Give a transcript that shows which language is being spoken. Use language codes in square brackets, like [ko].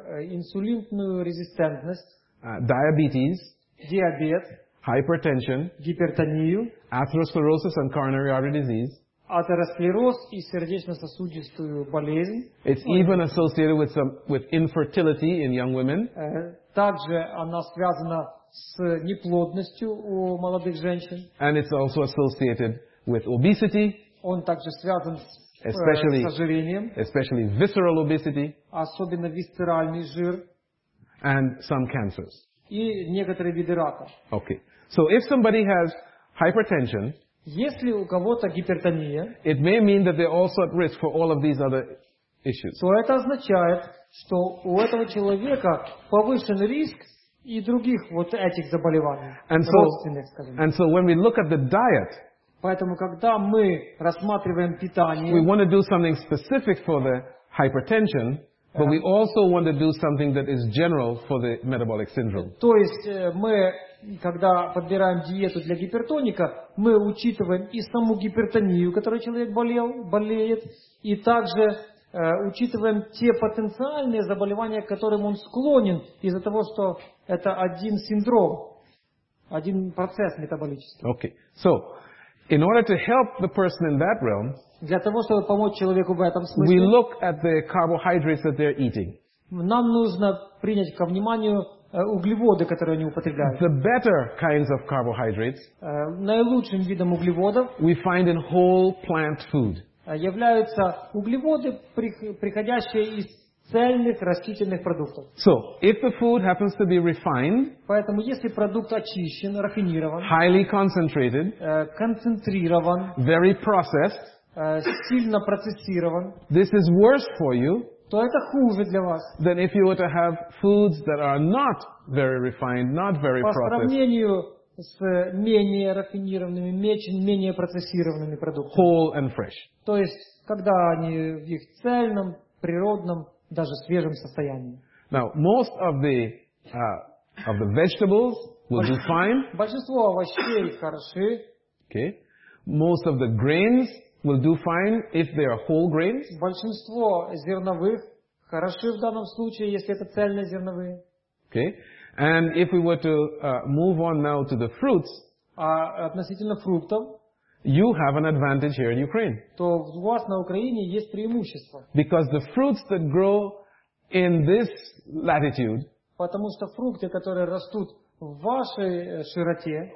[ru] инсулинную резистентность, [en] diabetes, [ru] диабет, [en] hypertension, [ru] гипертонию, [en] atherosclerosis and coronary artery disease. [ru] Атеросклероз и сердечно-сосудистую болезнь. [en] It's even associated with infertility in young women. [ru] Также она связана с неплодностью у молодых женщин. [en] And it's also associated with obesity. [ru] Он также связан с ожирением. [en] Especially visceral obesity. [ru] Особенно висцеральный жир. [en] And some cancers. [ru] И некоторые виды рака. [en] Okay. So if somebody has hypertension, [ru] если у кого-то гипертония, [en] it may mean that they're also at risk for all of these other issues. [ru] То это означает, что у этого человека повышен риск и других вот этих заболеваний, родственных, скажем. [en] And so when we look at the diet, [ru] поэтому когда мы рассматриваем питание, [en] we want to do something specific for the hypertension. But we also want to do something that is general for the metabolic syndrome. [ru] То есть мы, когда подбираем диету для гипертоника, мы учитываем и саму гипертонию, которой человек болеет, и также учитываем те потенциальные заболевания, к которым он склонен из-за того, что это один синдром, один процесс метаболический. [en] Okay. So, in order to help the person in that realm, [ru] для того, чтобы помочь человеку в этом смысле, [en] we look at the carbohydrates that they're eating. [ru] нам нужно принять ко вниманию углеводы, которые они употребляют. [en] The better kinds of carbohydrates, [ru] наилучшим видом углеводов, [en] we find in whole plant food. [ru] Являются углеводы, приходящие из цельных растительных продуктов. [en] So, if the food happens to be refined, [ru] поэтому если продукт очищен, рафинирован, [en] highly concentrated, [ru] концентрирован, [en] very processed, [ru] сильно процессирован, [en] this is worse for you, [ru] то это хуже для вас. [en] Then if you were to have foods that are not very refined, not very processed. [ru] По сравнению с менее рафинированными, менее процессированными продуктами. [en] Whole and fresh. [ru] То есть, когда они в их цельном, природном, даже свежем состоянии. [en] Now, most of the vegetables will be fine. [ru] Большинство овощей хороши. [en] Okay. Most of the grains will do fine if they are whole grains. [ru] Большинство зерновых хороши в данном случае, если это цельные зерновые. [en] Okay. And if we were to move on now to the fruits, [ru] относительно фруктов, [en] you have an advantage here in Ukraine. [ru] То у вас на Украине есть преимущество. [en] Because the fruits that grow in this latitude, [ru] потому что фрукты, которые растут в вашей широте,